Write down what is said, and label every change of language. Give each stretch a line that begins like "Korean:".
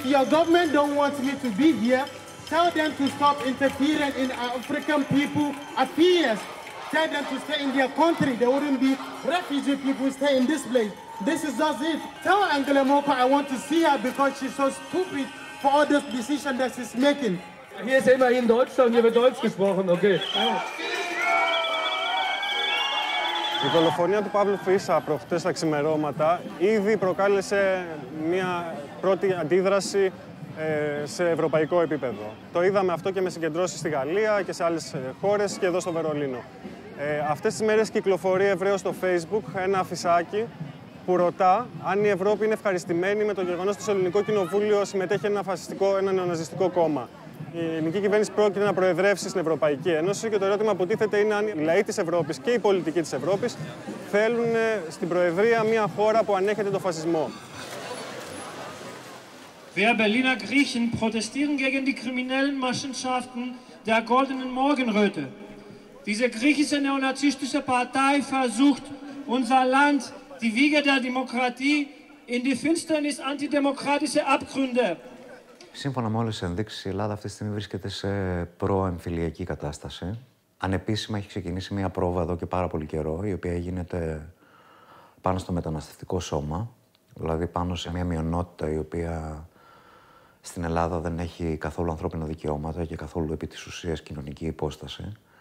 English: Government don't want me to be here, tell them to stop interfering in African people's affairs. tell them to stay in their country. There wouldn't be refugee people staying in this place. This is just it. Tell Angela Merkel I want to see her because she's so stupid for all this decision that she's making.
German: Hier ist immer in Deutschland, hier wird Deutsch gesprochen, okay.
Greek: Η δολοφονία του Παύλου Φίσα προχτές στα ξημερώματα ήδη προκάλεσε μια πρώτη αντίδραση σε ευρωπαϊκό επίπεδο. Το είδαμε αυτό και με συγκεντρώσεις στη Γαλλία και σε άλλες χώρες και εδώ στο Βερολίνο. Αυτές τις μέρες κυκλοφορεί ευρέως στο Facebook ένα φυσάκι που ρωτά αν η Ευρώπη είναι ευχαριστημένη με το γεγονός ότι το ελληνικό κοινοβούλιο συμμετέχει σε ένα νεοναζιστικό κόμμα. Η ελληνική κυβέρνηση πρόκειται να προεδρεύσει στην Ευρωπαϊκή Ένωση και το ερώτημα που τίθεται είναι αν οι λαοί της Ευρώπης και οι πολιτικοί της Ευρώπης θέλουν στην προεδρία μια χώρα που ανέχεται τον φασισμό.
German: Wer Berliner Griechen protestieren gegen die kriminellen Machenschaften der goldenen Morgenröte. Diese griechische neonazistische Partei versucht unser Land, die Wiege der Demokratie, in die Finsternis antidemokratische Abgründe.
Greek: Σύμφωνα με όλες τις ενδείξεις, η Ελλάδα αυτή τη στιγμή βρίσκεται σε προεμφυλιακή κατάσταση. Ανεπίσημα έχει ξεκινήσει μια πρόβα εδώ και πάρα πολύ καιρό, η οποία γίνεται πάνω στο μεταναστευτικό σώμα, δηλαδή πάνω σε μια μειονότητα η οποία στην Ελλάδα δεν έχει καθόλου ανθρώπινα δικαιώματα και καθόλου επί της ουσίας κοινωνική υπόσταση.